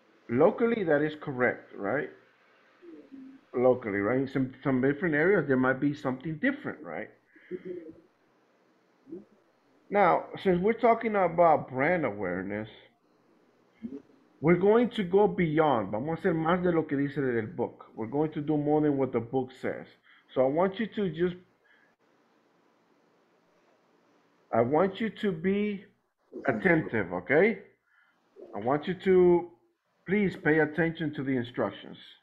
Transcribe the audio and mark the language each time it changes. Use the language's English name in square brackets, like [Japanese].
[English] Locally, that is correct, right? Locally, right? In some different areas, there might be something different, right? Now, since we're talking about brand awareness, we're going to go beyond. [Spanish] Vamos a hacer más de lo que dice el book. [English] We're going to do more than what the book says. So I want you to just, I want you to be attentive, okay? I want you to please pay attention to the instructions.